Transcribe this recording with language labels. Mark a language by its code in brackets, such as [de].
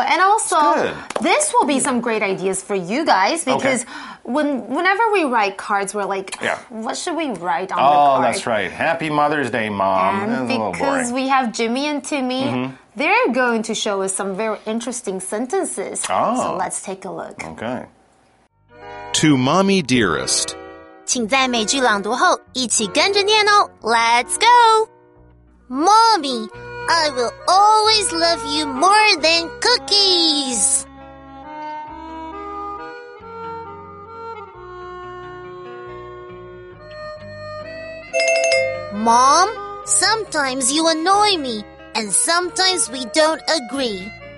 [en] And also, this will be some great ideas for you guys because whenever we write cards, we're like, what should we write on the card? Oh, that's right. Happy Mother's Day, Mom. And because we have Jimmy and Timmy, they're going to show us some very interesting sentences. Oh. So let's take a look. Okay. To Mommy Dearest. [zh] 请在每句朗读后一起跟着念哦。 [en] Let's go! Mommy, I will always love you more than cookies. Mom, sometimes you annoy me, and sometimes we don't agree.